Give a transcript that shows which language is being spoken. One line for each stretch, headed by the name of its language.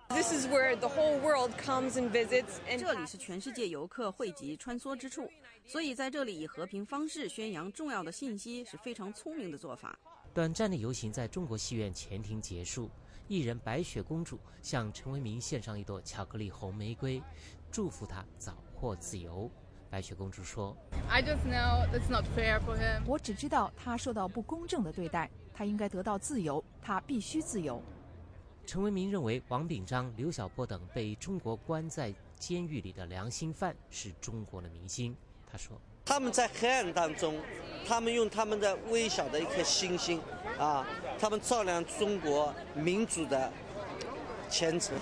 Chinese: 这里是全世界游客汇集穿梭之处，所以在这里以和平方式宣扬重要的信息是非常聪明的做法。短暂的游行在中国戏院前庭结束，艺人白雪公主向陈为民献上一朵巧克力红玫瑰，祝福他早获自由。白雪公主说，
English: I just know that's not fair for him.
Chinese: 我只知道他受到不公正的对待，他应该得到自由，他必须自由。陈为民认为王炳章、刘晓波等被中国关在监狱里的良心犯是中国的明星。他说，他们在黑暗当中，他们用他们的微小的一颗星星啊，他们照亮中国民主的前程。